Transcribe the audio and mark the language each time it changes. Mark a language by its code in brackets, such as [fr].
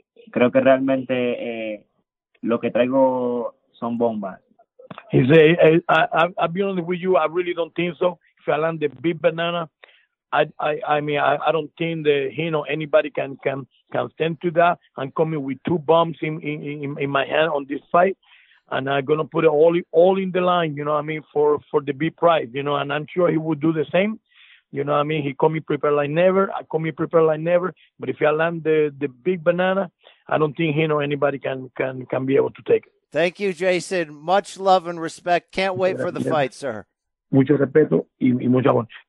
[es] Creo que realmente lo que traigo son bombas. [en] He said, I'll be honest with you, I really don't think so. If I land the big banana, I mean, I don't think that he or anybody can stand to that. I'm coming with two bombs in my hand on this fight, and I'm going to put it all in the line, you know what I mean, for the big prize, you know, and I'm sure he would do the same. You know what I mean? He called me prepared like never. I called me prepared like never. But if I land the big banana, I don't think he or anybody can be able to take it. Thank you, Jason. Much love and respect. Can't wait for the fight, sir. [es] Mucho respeto y mucha honra.